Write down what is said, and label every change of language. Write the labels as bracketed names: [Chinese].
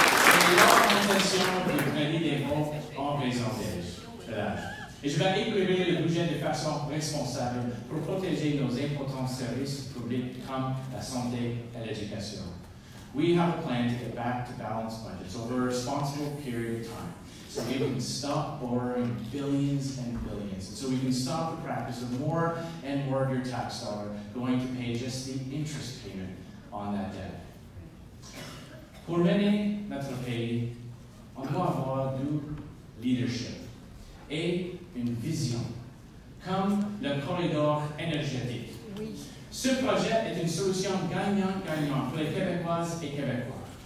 [French] Et l'augmentation du crédit d'impôt en raison des Et je vais évaluer le budget de façon responsable pour protéger nos importants services publics comme la santé et l'éducation. [English] We have a plan to get back to balanced budgets over a responsible period of time, so we can stop borrowing billions and billions, so we can stop the practice of more and more of your tax dollar going to pay just the interest payment on that debt. [French] Pour mener notre pays, on doit avoir du leadership et une vision, comme le corridor énergétique. Oui. Ce projet est une solution gagnant-gagnant pour les Québécoises et Québécois.